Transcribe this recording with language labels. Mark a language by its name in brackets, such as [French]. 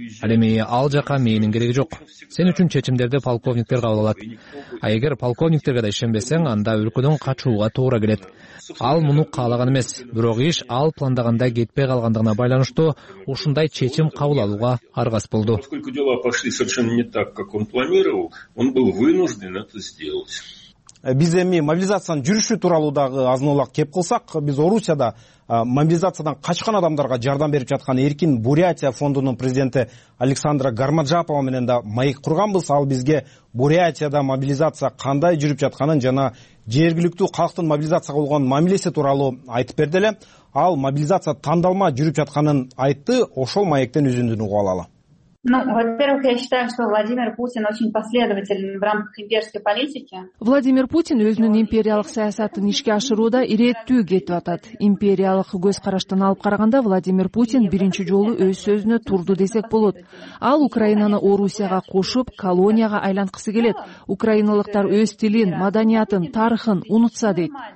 [Kyrgyz] Ал эми ал жака менин кереги жок. Сен үчүн чечимдерди полковниктер кабыл алат. А эгер полковниктерге да ишенбесең, анда өлкөдөн качууга туура келет. Ал муну каалаган эмес, бирок иш ал пландагандай кетпей калгандыгына байланыштуу ушундай чечим кабыл алууга аргасыз болду. [Russian] Поскольку дела пошли совершенно не так, как он планировал, он был вынужден это сделать. [Kyrgyz] Биз эми мобилизациянын жүрүшү тууралуу дагы азынолак кеп кылсак, биз Орусияда мобилизациядан качкан адамдарга жардам берип жаткан Эркин Бурятия фондунун президенти Александра Гармаджапова менен да маек курганбыз. Ал бизге Бурятияда мобилизация кандай жүрүп жатканын жана жергиликтүү калктын мобилизацияга болгон мамилеси тууралуу айтып берди эле. Ал мобилизация тандалма жүрүп жатканын айтты. Ошол маектен үзүндүнү уга алалы. [Russian] Во-первых, я считаю, что Владимир Путин очень последователен в рамках имперской политики. [Kyrgyz] Владимир Путин өзүнүн империялык саясатын ишке ашырууда иреттүү кетип атат. Империялык көз караштан алып караганда Владимир Путин биринчи жолу өз сөзүнө турду десек болот. Ал Украинаны Орусияга кошуп, колонияга айланткысы келет. Украиналыктар өз тилин, маданиятын, тарыхын унутса дейт.